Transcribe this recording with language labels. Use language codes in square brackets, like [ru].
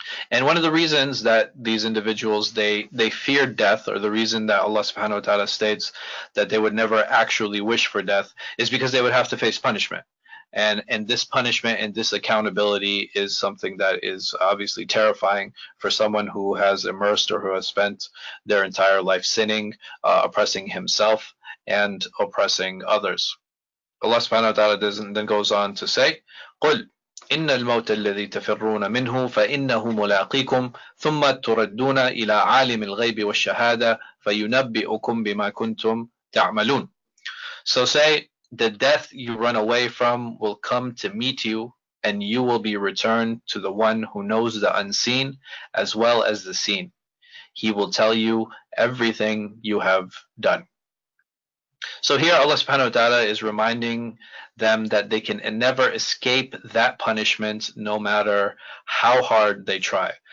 [en] And one of the reasons that these individuals, they fear death, or the reason that Allah subhanahu wa ta'ala states that they would never actually wish for death, is because they would have to face punishment. And this punishment and this accountability is something that is obviously terrifying for someone who has immersed or who has spent their entire life sinning, oppressing himself and oppressing others. Allah subhanahu wa ta'ala then goes on to say, [ar] قل إن الموت الذي تفرون منه فإنه ملاقيكم ثم تردون إلى عالم الغيب والشهادة فينبئكم بما كنتم تعملون. [en] So say, the death you run away from will come to meet you, and you will be returned to the one who knows the unseen as well as the seen. He will tell you everything you have done. So here Allah subhanahu wa ta'ala is reminding them that they can never escape that punishment no matter how hard they try.